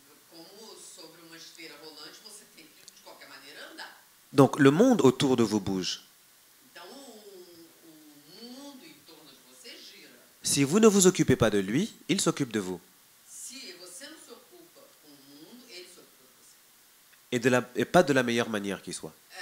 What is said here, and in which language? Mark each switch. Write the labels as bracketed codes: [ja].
[pt] Como sobre uma esteira rolante, você tem que, de qualquer maneira, andar. [fr] Donc le monde autour de vous bouge. [pt] Então, o mundo em torno de você gira. [fr] Si vous ne vous occupez pas de lui, il s'occupe de vous. [pt] Si você não se ocupa com o mundo, ele se ocupa de você. [fr] Et, de la, et pas de la meilleure manière qui soit.